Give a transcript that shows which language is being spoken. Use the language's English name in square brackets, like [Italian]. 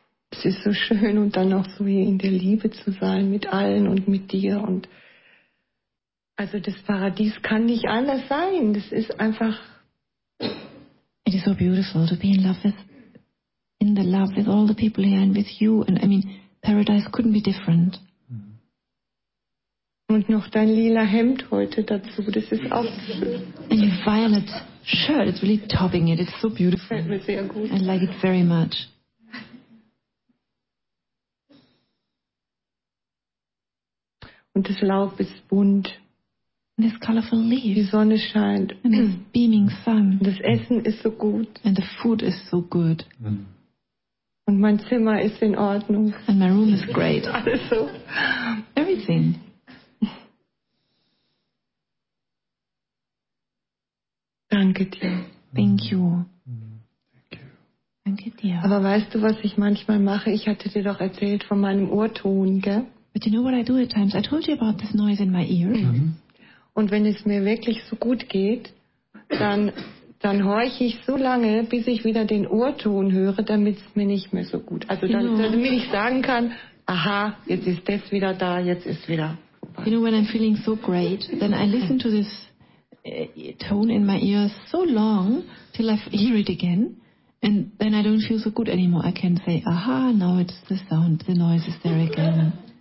[German] Es ist so schön, und dann auch so hier in der Liebe zu sein mit allen und mit dir. Und also das Paradies kann nicht anders sein. Das ist einfach. [English] It is so beautiful to be in love with, in the love with all the people here and with you. And I mean, paradise couldn't be different. [German] Und noch dein lila Hemd heute dazu. Das ist auch. [English] And your violet shirt. It's really topping it. It's so beautiful. [German] Fällt mir sehr gut. [English] I like it very much. [German] Und das Laub ist bunt. [English] And this colorful leaves. [German] Die Sonne scheint. [English] And this beaming sun. [German] Das Essen ist so gut. [English] And the food is so good. [German] Mm. Und mein Zimmer ist in Ordnung. [English] And my room is great. [German] Alles so. [English] Everything. [German] Danke dir. [English] Thank you. Mm. Thank you. [German] Danke dir. Aber weißt du, was ich manchmal mache? Ich hatte dir doch erzählt von meinem Ohrton, gell? [English] But you know what I do at times? I told you about this noise in my ear. Mm-hmm. [German] Und wenn es mir wirklich so gut geht, dann horche ich so lange, bis ich wieder den Ohrton höre, damit es mir nicht mehr so gut. Also dann, damit ich sagen kann, aha, jetzt ist das wieder da, jetzt ist wieder. [English] You know, when I'm feeling so great, then I listen to this tone in my ear so long, till I hear it again. And then I don't feel so good anymore. I can say, aha, now it's the sound, the noise is there again.